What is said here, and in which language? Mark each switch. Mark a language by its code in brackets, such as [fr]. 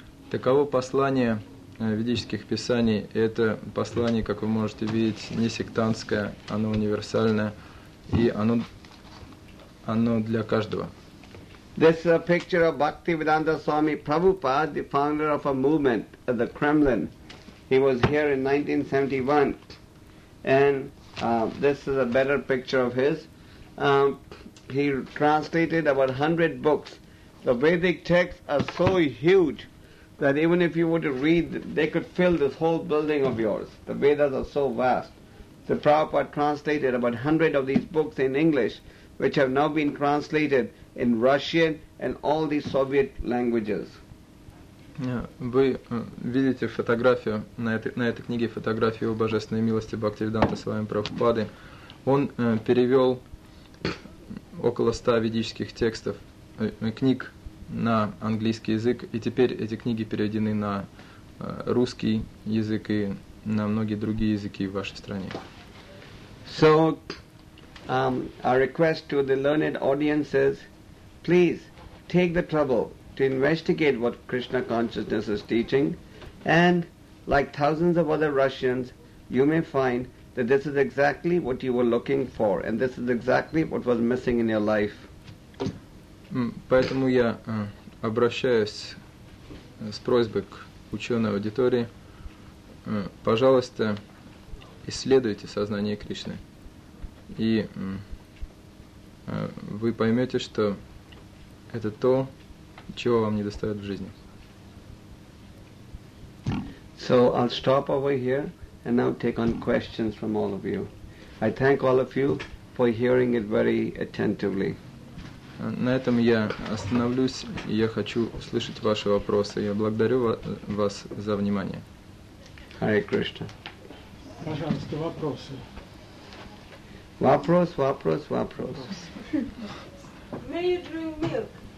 [ru] Таково послание ведических писаний. Это послание, как вы можете видеть, не сектантское, оно универсальное, и оно оно для каждого. [en] This is a picture of Bhaktivedanta Swami Prabhupada, the founder of a movement at the Kremlin. He was here in 1971. And this is a better picture of his. He translated about 100 books. The Vedic texts are so huge that even if you were to read, they could fill this whole building of yours. The Vedas are so vast. So Prabhupada translated about 100 of these books in English, which have now been translated in Russian and all the Soviet languages. [ru] Вы видите фотографию на этой книге, фотографию Божественной милости Бхактивиданта с вами Прабхупады. Он перевел около 100 ведических текстов, книг на английский язык, и теперь эти книги переведены на русский язык и на многие другие языки в вашей стране. [en] So, a request to the learned audience is, please take the trouble to investigate what Krishna consciousness is teaching, and like thousands of other Russians, you may find that this is exactly what you were looking for, and this is exactly what was missing in your life. [ru] Поэтому я обращаюсь с просьбой к ученой аудитории, пожалуйста, исследуйте сознание Кришны, и вы поймете, что это то, чего вам не достает в жизни. [en] So I'll stop over here and now take on questions from all of you. I thank all of you for hearing it very attentively. [ru] На этом я остановлюсь, и я хочу услышать ваши вопросы. Я благодарю вас за внимание. [sa] Hare Krishna. [ru] Пожалуйста, вопросы. Вопрос, вопрос, вопрос. [en] May you drink milk?